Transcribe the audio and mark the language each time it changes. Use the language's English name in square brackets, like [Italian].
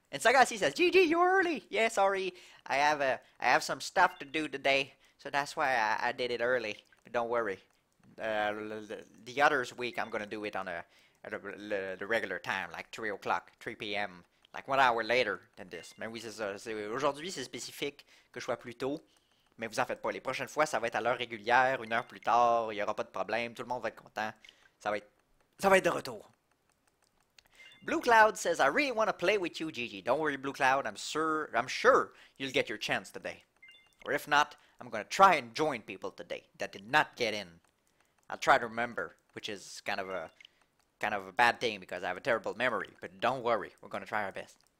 [English] And Sagasi says, GG, you're early. Yeah, sorry. I have some stuff to do today. So that's why I did it early. But don't worry. The other week, I'm gonna do it on the regular time, like 3 o'clock, 3 p.m., like 1 hour later than this. [French] Mais oui, c'est ça. Aujourd'hui, c'est spécifique que je sois plus tôt, mais vous en faites pas. Les prochaines fois, ça va être à l'heure régulière, 1 heure plus tard, il y aura pas de problème, tout le monde va être content. Ça va être de retour. [English] Blue Cloud says, I really want to play with you, Gigi. Don't worry, Blue Cloud, I'm sure you'll get your chance today. Or if not, I'm gonna try and join people today that did not get in. I'll try to remember, which is kind of a bad thing because I have a terrible memory. But don't worry, we're gonna try our best.